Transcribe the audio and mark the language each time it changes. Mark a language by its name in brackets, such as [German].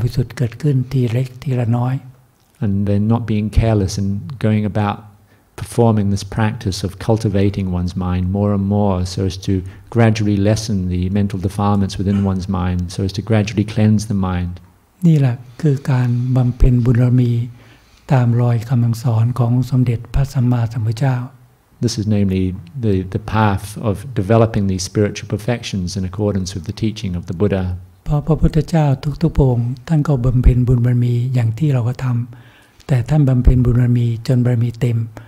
[Thai] และพยายามไม่ประมาทในชีวิตในการที่จะพัฒนาจิตใจเรานั้นให้ดียิ่งขึ้นไปพัฒนาจิตใจเรานั้นให้มีความสะอาดให้มีความบริสุทธิ์เกิดขึ้นทีเล็กทีละน้อย [English] And then not being careless and going about performing this practice of cultivating one's mind more and more so as to gradually lessen the mental defilements within one's mind so as to gradually cleanse the mind [Thai] นี่แหละคือการบำเพ็ญบุญบารมีตามรอยคำสอนของสมเด็จพระสัมมาสัมพุทธเจ้า [English] This is namely the path of developing these spiritual perfections in accordance with the teaching of the Buddha [Thai] พระพุทธเจ้าทุกๆองค์ท่านก็บำเพ็ญบุญบารมีอย่างที่เราก็ทำแต่ท่านบำเพ็ญบุญบารมีจนบารมีเต็ม